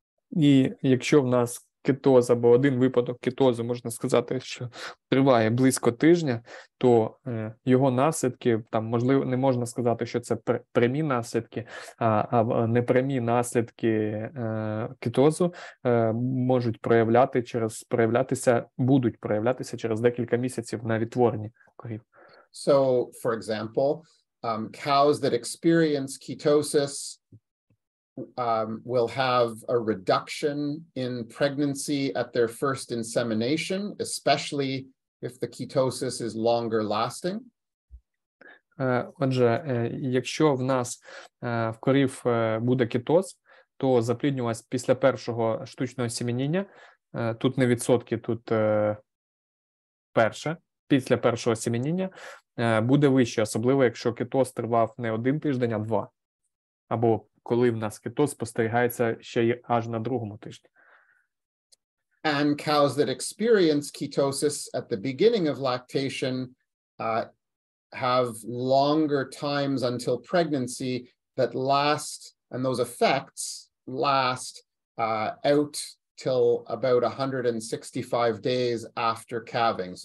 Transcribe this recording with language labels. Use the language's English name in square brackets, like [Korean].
[Ukrainian] І якщо в нас кетоз або один випадок кетозу, можна сказати, що триває близько тижня, то його наслідки, там, можливо, не можна сказати, що це прямі наслідки, а непрямі наслідки кетозу можуть проявляти через проявлятися, будуть проявлятися через декілька місяців на відтворенні корів. [English] So, for example, cows that experience ketosis will have a reduction in pregnancy at their first insemination, especially if the ketosis is longer lasting. [Ukrainian] Отже, якщо в нас в корів буде кетоз, то запліднювалось після першого штучного семеніння, тут не відсотки, тут перше, після першого семеніння буде вище, особливо якщо кетоз тривав не один тиждень, а два, або коли в нас кетоз спостерігається ще й аж на другому тижні. [English] And cows that experience ketosis at the beginning of lactation have longer times until pregnancy that last, and those effects last out till about 165 days after calving.